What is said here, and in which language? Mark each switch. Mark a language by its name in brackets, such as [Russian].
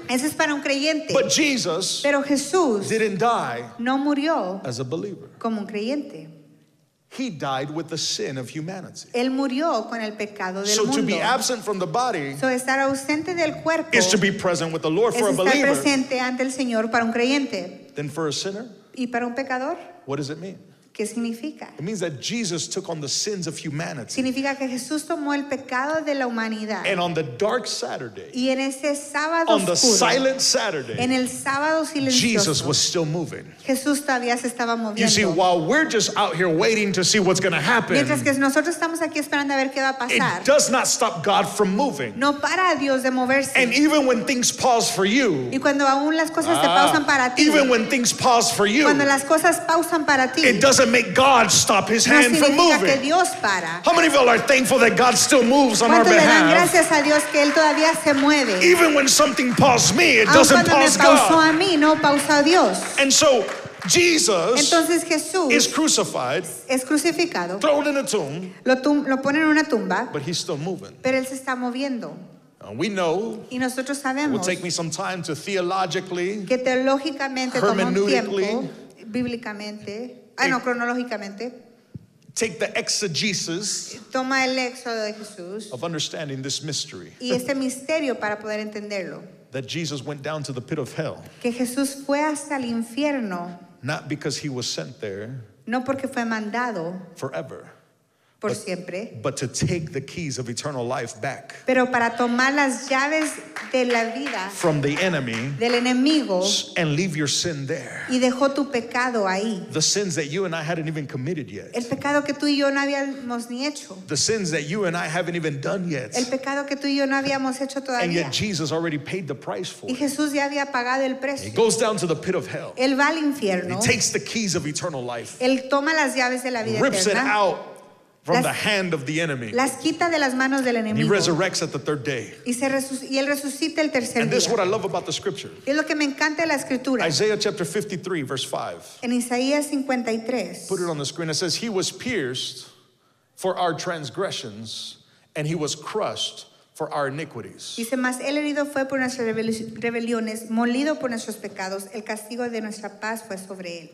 [Spanish] Eso es para un creyente. [English] But Jesus, [Spanish] pero Jesús, [English] didn't die, [Spanish] no murió, [English] as a believer, [Spanish] como un creyente. [English] He died with the sin of humanity. [Spanish] Él murió con el pecado del [English] so [Spanish] mundo. [English] To be absent from the body [Spanish] so estar ausente del cuerpo [English] is to be present with the Lord for a believer. [Spanish] Es estar presente ante el Señor para un creyente. [English] Then for a sinner? [Spanish] ¿Y para un pecador? [English] What does it mean? [Spanish] ¿Qué significa? [English] It means that Jesus took on the sins of humanity. [Spanish] Significa que Jesús tomó el pecado de la humanidad. [English] And on the dark Saturday. [Spanish] Y en ese sábado oscuro. [English] On the silent Saturday. [Spanish] En el sábado silencioso. [English] Jesus was still moving. [Spanish] Jesús todavía se estaba moviendo. [English] You see, while we're just out here waiting to see what's going to happen. [Spanish] Mientras que nosotros estamos aquí esperando a ver qué va a pasar. [English] It does not stop God from moving. [Spanish] No para a Dios de moverse. [English] And even when things pause for you. [Spanish] Y cuando aún las cosas se pausan para ti. [English] Even when things pause for you. [Spanish] Cuando las cosas pausan para ti. [English] It doesn't make God stop his hand from moving. [Spanish] Que Dios para. [English] How many of y'all are thankful that God still moves on our behalf? [Spanish] Le dan gracias a Dios que él todavía se mueve. [English] Even when something paused me, it doesn't pause [Spanish] me pausó [English] God. [Spanish] A mí, no pausa a Dios. [English] And so, Jesus [Spanish] Entonces, Jesús [English] is crucified, [Spanish] es crucificado, [English] thrown in a tomb, [Spanish] lo ponen en una tumba, [English] but he's still moving. [Spanish] Pero él se está moviendo. [English] We know, [Spanish] y nosotros sabemos, [English] it will take me some time to theologically, [Spanish] que teológicamente [English] hermeneutically, [Spanish] bíblicamente, cronológicamente. [English] Take the exegesis [Spanish] toma el éxodo de Jesús [English] of understanding this mystery. [Spanish] Y este misterio para poder entenderlo. [English] That Jesus went down to the pit of hell. [Spanish] Que Jesús fue hasta el infierno. [English] Not because he was sent there. [Spanish] No porque fue mandado. [English] Forever. [Spanish] Por siempre. [English] But to take the keys of eternal life back. [Spanish] Pero para tomar las llaves de la vida. [English] From the enemy. [Spanish] Del enemigo. [English] And leave your sin there. [Spanish] Y dejó tu pecado ahí. [English] The sins that you and I hadn't even committed yet. [Spanish] El pecado que tú y yo no habíamos ni hecho. [English] The sins that you and I haven't even done yet. [Spanish] El pecado que tú y yo no habíamos hecho todavía. [English] And yet Jesus already paid the price for it. [Spanish] Y Jesús ya había pagado el precio. [English] He goes down to the pit of hell. [Spanish] Él va al infierno. [English] He takes the keys of eternal life. [Spanish] Él toma las llaves de la vida [English] rips [Spanish] eterna. [English] Rips it out. From the hand of the enemy. [Spanish] Las quita de las manos del enemigo. [English] He resurrects at the third day. [Spanish] Y él resucita el tercer día. [English] And this is what I love about the scripture. [Spanish] Es lo que me encanta de la escritura. [English] Isaiah chapter 53, verse 5. [Spanish] En Isaías 53. [English] Put it on the screen. It says, He was pierced for our transgressions, and he was crushed for our iniquities. [Spanish] Dice, mas el herido fue por nuestras rebeliones, molido por nuestros pecados, el castigo de nuestra paz fue sobre él.